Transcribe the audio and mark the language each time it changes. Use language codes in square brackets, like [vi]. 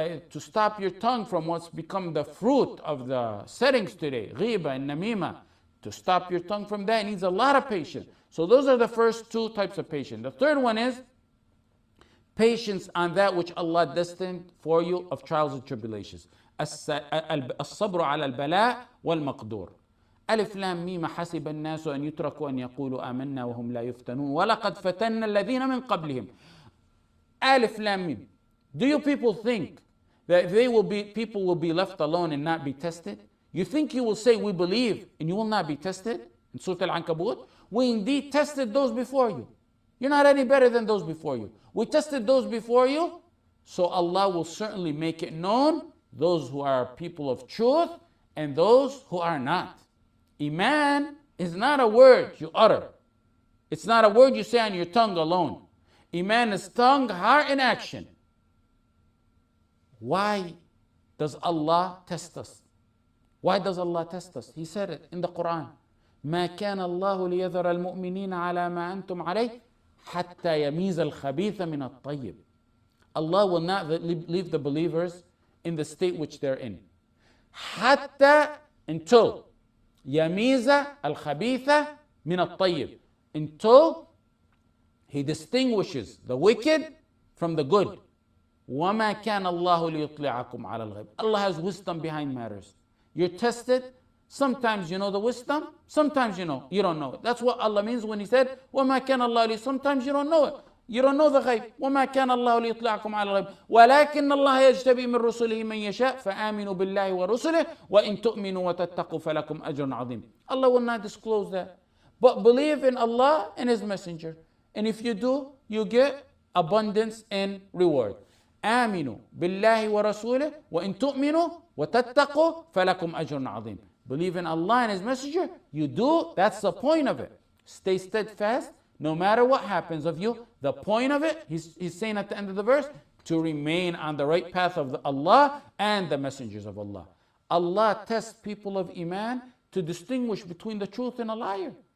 [en] To stop your tongue from what's become the fruit of the settings today, ghiba and namima, to stop your tongue from that needs a lot of patience. So those are the first two types of patience. The third one is patience on that which Allah destined for you of trials and tribulations. [ar] الصبر على البلاء والمقدور. ألف لام ميم حسب الناس أن يتركوا أن يقولوا آمنا وهم لا يفتنون ولقد فتن الذين من قبلهم. ألف لام ميم. [en] Do you people think that people will be left alone and not be tested? You think you will say we believe and you will not be tested? In Surah Al-Ankabut, we indeed tested those before you. You're not any better than those before you. We tested those before you, so Allah will certainly make it known those who are people of truth and those who are not. Iman is not a word you utter. It's not a word you say on your tongue alone. Iman is tongue, heart, and action. Why does Allah test us? Why does Allah test us? He said it in the Quran. [ar] مَا كَانَ اللَّهُ لِيَذَرَ الْمُؤْمِنِينَ عَلَى مَا أَنْتُمْ عَلَيْهِ حَتَّى يَمِيزَ الْخَبِيثَ مِنَ الطَّيِّبِ. [en] Allah will not leave the believers in the state which they're in. حَتَّى until يَمِيزَ الْخَبِيثَ مِنَ الطَّيِّبِ. Until He distinguishes the wicked from the good. [ar] وَمَا كَانَ اللَّهُ لِيُطْلِعَكُمْ عَلَى الْغَيْبِ. [en] Allah has wisdom behind matters. You're tested. Sometimes you know the wisdom. Sometimes you know. You don't know it. That's what Allah means when He said, [ar] وَمَا كَانَ اللَّهُ لِيُطْلِعَكُمْ. [en] Sometimes you don't know it. You don't know the غَيْبِ. [ar] وَمَا كَانَ اللَّهُ لِيُطْلِعَكُمْ عَلَى الْغَيْبِ. وَلَكِنَّ اللَّهَ يَجْتَبِي مِنْ رُسُلِهِ مَنْ يَشَاءُ فَآمِنُوا بِاللَّهِ وَرُسُلِهِ وَإِنْ تُؤْمِنُوا وَتَتَّقُوا فَلَكُمْ أَجْرٌ عَظِيمٌ. [en] Allah will not disclose that. But believe in Allah and His Messenger. And if you do, you get abundance and reward. [ar] آمنوا بالله ورسوله وإن تؤمنوا وتتقوا فلكم أجر عظيم. [en] Believe in Allah and His Messenger. You do. That's the point of it. Stay steadfast. No matter what happens of you, the point of it. He's saying at the end of the verse, to remain on the right path of Allah and the messengers of Allah. Allah tests people of Iman to distinguish between the truth and a liar.